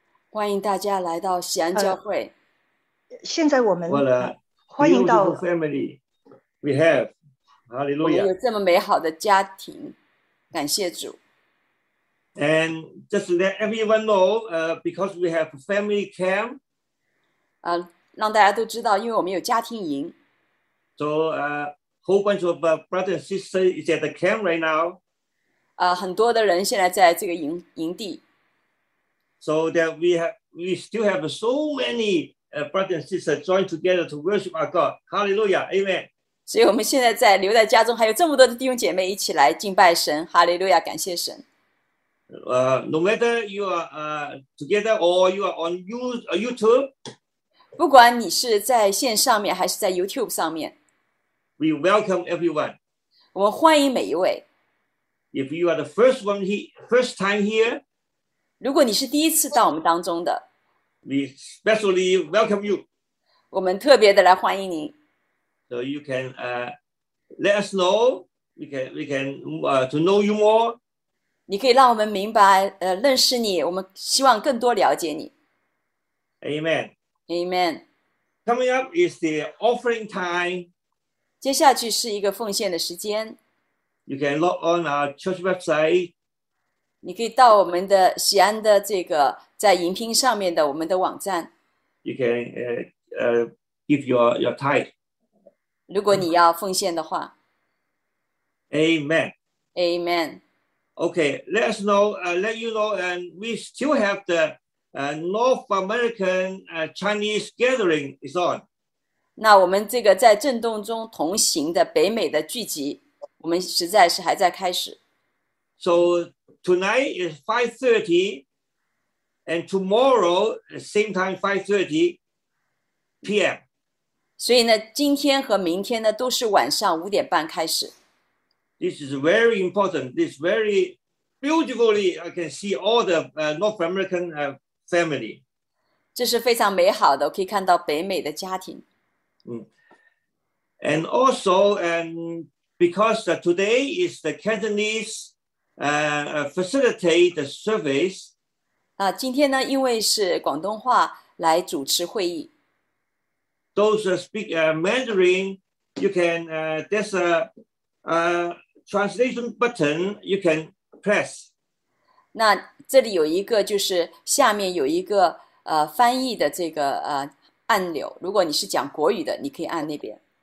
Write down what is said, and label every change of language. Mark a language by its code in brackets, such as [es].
[zh] 欢迎大家来到喜安教会。现在我们 [en] What a [zh] 欢迎到 [en] beautiful family we have. [zh] 我们有 [en] Hallelujah. [zh] 这么美好的家庭，感谢主。 [en] And just let everyone know, because we have family camp. [zh] 让大家都知道，因为我们有家庭营。 [en] So whole bunch of brothers and sisters is at the camp right now. [zh] 很多的人现在在这个营地。 [en] So that we still have so many brothers and sisters joined together to worship our God. Hallelujah. Amen. [zh] 所以我们现在在留在家中，还有这么多的弟兄姐妹一起来敬拜神，哈利路亚，感谢神。 [en] No matter you are together or you are on YouTube, [zh] 不管你是在线上面还是在 YouTube 上面 [en] we welcome everyone. [zh] 我们欢迎每一位。 [en] If you are the first one first time here, [zh] 如果你是第一次到我们当中的， [en] we specially welcome you. [zh] 我们特别的来欢迎您。 [en] So you can let us know, we can to know you more. [zh] 你可以让我们明白，认识你，我们希望更多了解你。 [en] Amen. Amen. Coming up is the offering time. [zh] 接下去是一个奉献的时间。 [en] You can log on our church website. [zh] 你可以到我们的西安的这个在荧屏上面的我们的网站。 [en] You can give your tithe. [zh] 如果你要奉献的话 [en] Amen. ，Amen。 Okay, let you know, and we still have the North American Chinese gathering is on. [zh] 那我们这个在震动中同行的北美的聚集，我们实在是还在开始。 [en] So tonight is 5:30, and tomorrow same time 5:30 p.m. [zh] 所以呢，今天和明天呢，都是晚上5点半开始。 [en] This is very important. This very beautifully, I can see all the North American family. [zh] 这是非常美好的，我可以看到北美的家庭。 [en] And also, because today is the Cantonese facilitate the service. [zh] 今天呢，因为是广东话来主持会议。 [en] Those who speak Mandarin, you can there's a translation button you can press. [zh] 那这里有一个，就是下面有一个翻译的这个按钮。如果你是讲国语的，你可以按那边。